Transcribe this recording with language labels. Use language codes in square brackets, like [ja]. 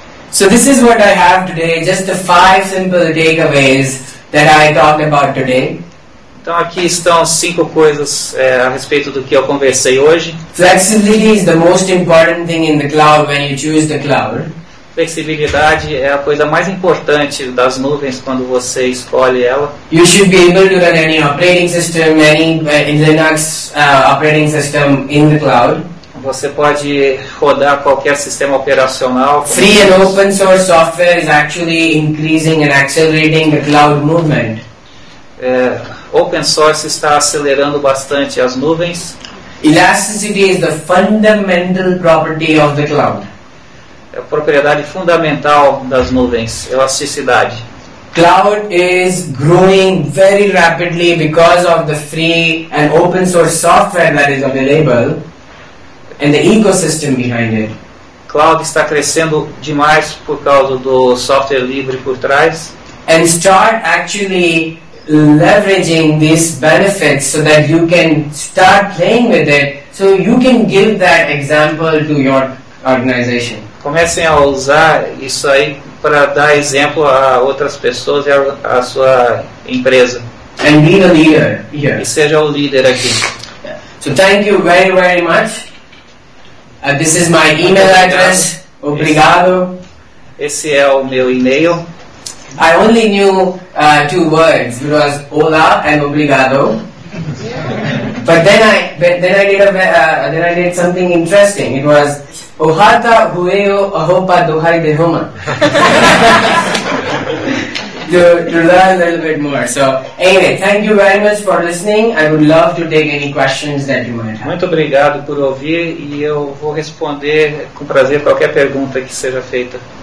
[en] So this is what I have today, just the five simple takeaways that I talked about today. [pt] Então aqui estão as cinco coisas a respeito do que eu conversei hoje. [en] Flexibility is the most important thing in the cloud when you choose the cloud. [pt] Flexibilidade é a coisa mais importante das nuvens quando você escolhe ela. [en] You should be able to run any operating system, any Linux operating system in the cloud. [pt] Você pode rodar qualquer sistema operacional. [en] Free and open source software is actually increasing and accelerating the cloud movement. [pt] Open source está acelerando bastante as nuvens. [en] Elasticity is the fundamental property of the cloud. [pt] É a propriedade fundamental das nuvens, elasticidade. [en] Cloud is growing very rapidly because of the free and open source software that is available and the ecosystem behind it. [pt] Cloud está crescendo demais por causa do software livre por trás. [en] And start actually leveraging these benefits so that you can start playing with it, so you can give that example to your organization. [pt] Comecem a usar isso aí para dar exemplo a outras pessoas e a sua empresa. [en] And be the leader here. [pt] E seja o líder aqui. [en] So thank you very, very much. This is my email address. [pt] Obrigado. Esse é o meu e-mail. [en] I only knew two words, it was hola and obrigado. But then I did something interesting. It was ohata hueyo ahopa dohai dehoma. To learn a little bit more. So anyway, thank you very much for listening. I would love to take any questions that you might have. [pt] Muito obrigado por ouvir e eu vou responder com prazer qualquer pergunta que seja feita.